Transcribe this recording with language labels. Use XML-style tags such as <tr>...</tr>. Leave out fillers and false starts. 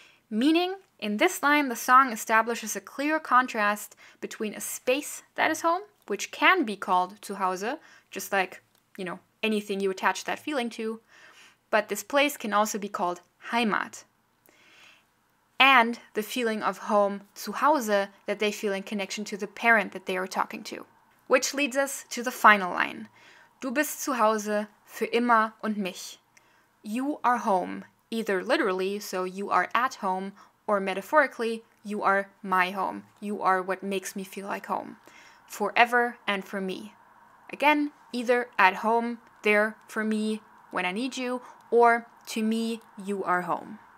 <en>Meaning, in this line, the song establishes a clear contrast between a space that is home, which can be called Zuhause, just like, you know, anything you attach that feeling to, but this place can also be called Heimat. And the feeling of home, Zuhause, that they feel in connection to the parent that they are talking to. Which leads us to the final line.</en> <de>Du bist zu Hause für immer und mich.</de> <en>You are home, either literally, so you are at home, or metaphorically, you are my home. You are what makes me feel like home. Forever and for me. Again, either at home, there, for me, when I need you, or to me, you are home.</en>